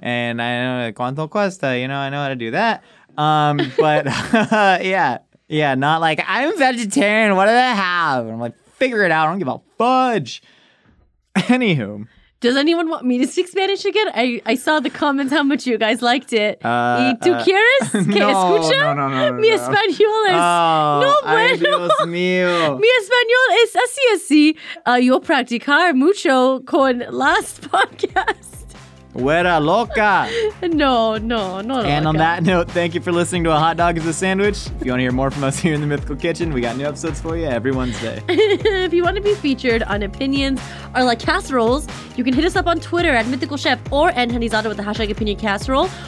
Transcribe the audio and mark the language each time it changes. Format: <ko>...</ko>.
<en>And I know cuánto cuesta, you know, I know how to do that. But yeah, not like I'm vegetarian. What do they have? And I'm like, figure it out. I don't give a fudge. Anywho, does anyone want me to speak Spanish again? I saw the comments how much you guys liked it.</en> <es>¿Y tú quieres que escucha? No. Mi español es no bueno. Dios mío. Mi español es así así. Yo practicar mucho con last podcast. Huera loca. No loca.</es> <en>And on that note, thank you for listening to A Hot Dog is a Sandwich. If you want to hear more from us here in the Mythical Kitchen, we got new episodes for you every Wednesday. If you want to be featured on Opinions or like Casseroles, you can hit us up on Twitter at Mythical Chef or @Henizada with the hashtag Opinion Casserole.</en>